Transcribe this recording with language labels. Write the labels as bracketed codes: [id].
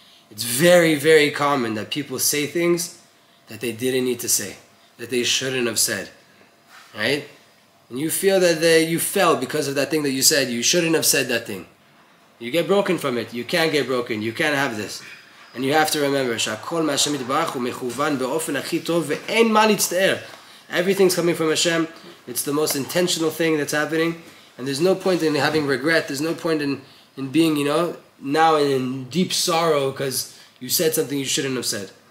[en] It's very, very common that people say things that they didn't need to say, that they shouldn't have said, right? And you feel that you fell because of that thing that you said, you shouldn't have said that thing. You get broken from it, you can't get broken, you can't have this. And you have to remember, [he] שהכל מהשם יתברך הוא מכוון באופן הכי טוב ואין מה להצטער. [en] Everything's coming from Hashem, it's the most intentional thing that's happening, and there's no point in having regret, there's no point in being, you know, now in deep sorrow because you said something you shouldn't have said.